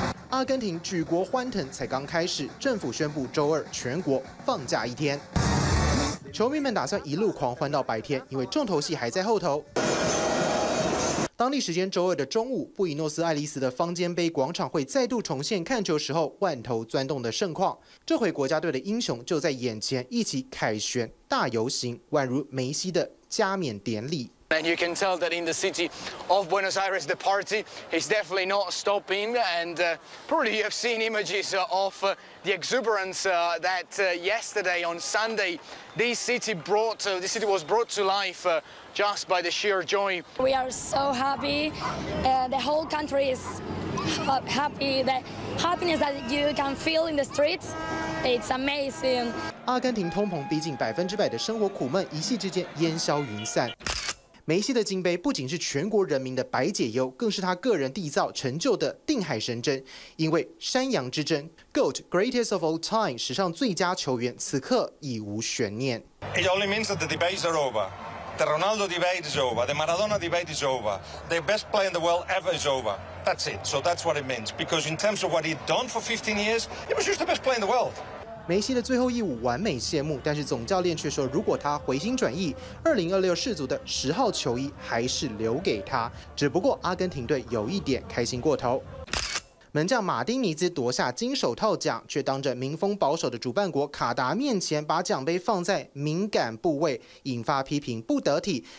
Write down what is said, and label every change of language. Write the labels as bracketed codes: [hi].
[zh] 阿根廷举国欢腾才刚开始，政府宣布周二全国放假一天，球迷们打算一路狂欢到白天，因为重头戏还在后头。当地时间周二的中午，布宜诺斯艾利斯的方尖碑广场会再度重现看球时候万头钻动的盛况。这回国家队的英雄就在眼前，一起凯旋大游行，宛如梅西的加冕典礼。 [en] And you can tell that in the city of Buenos Aires, the party is definitely not stopping. And probably you have seen images of the exuberance that yesterday on Sunday, this city was brought to life just by the sheer joy. We are so happy. The whole country is happy. The happiness that you can feel in the streets, it's amazing. [zh] 阿根廷通膨逼近100%的生活苦闷，一夕之间烟消云散。梅西的金杯不仅是全国人民的百解忧，更是他个人缔造成就的定海神针。因为山羊之争 [en] GOAT Greatest of All Time [zh] 史上最佳球员，此刻已无悬念。 [en] It only means that the debate is over. The Ronaldo debate is over. The Maradona debate is over. The best player in the world ever is over. That's it. So that's what it means. Because in terms of what he'd done for 15 years, he was just the best player in the world. [zh] 梅西的最后一舞完美谢幕，但是总教练却说，如果他回心转意，2026世足的10号球衣还是留给他。只不过阿根廷队有一点开心过头，门将马丁尼兹夺下金手套奖，却当着民风保守的主办国卡达面前把奖杯放在敏感部位，引发批评不得体。